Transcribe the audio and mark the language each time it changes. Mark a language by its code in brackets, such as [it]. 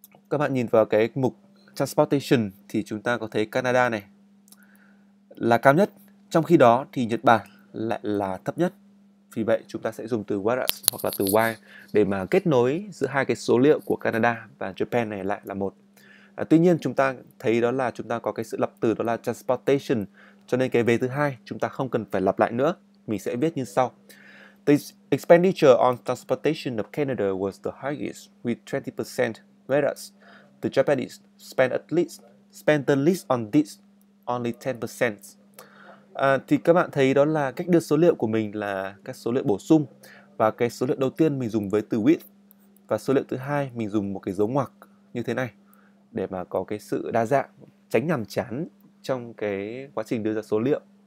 [vi] Các bạn nhìn vào cái mục Transportation thì chúng ta có thấy Canada này là cao nhất, trong khi đó thì Nhật Bản lại là thấp nhất. Vì vậy chúng ta sẽ dùng từ whereas hoặc là từ while để mà kết nối giữa hai cái số liệu của Canada và Japan này lại là một. Tuy nhiên chúng ta thấy đó là chúng ta có cái sự lặp từ đó là transportation, cho nên cái vế thứ hai chúng ta không cần phải lặp lại nữa. [en] Mình sẽ viết như sau: The expenditure on transportation of Canada was the highest with 20%, whereas the Japanese spent the least on this only 10%. [vi] Thì các bạn thấy đó là cách đưa số liệu của mình là các số liệu bổ sung, và cái số liệu đầu tiên mình dùng với từ with và số liệu thứ hai mình dùng một cái dấu ngoặc như thế này để mà có cái sự đa dạng, tránh nhàm chán trong cái quá trình đưa ra số liệu.